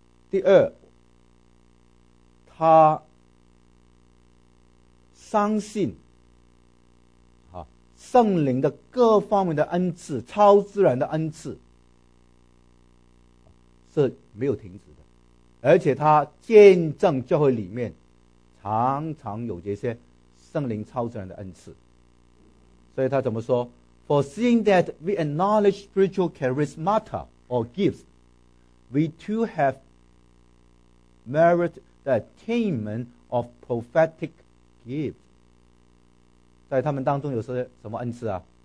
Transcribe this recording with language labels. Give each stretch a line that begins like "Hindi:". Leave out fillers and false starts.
Chinese: 第二，他相信圣灵的各方面的恩赐，超自然的恩赐是没有停止的，而且他见证教会里面常常有这些圣灵超自然的恩赐。所以他怎么说？
English: For seeing that we acknowledge spiritual charismata or gifts, we too have merit the attainment of prophetic gifts。
Chinese: 在他们当中有些什么恩赐啊？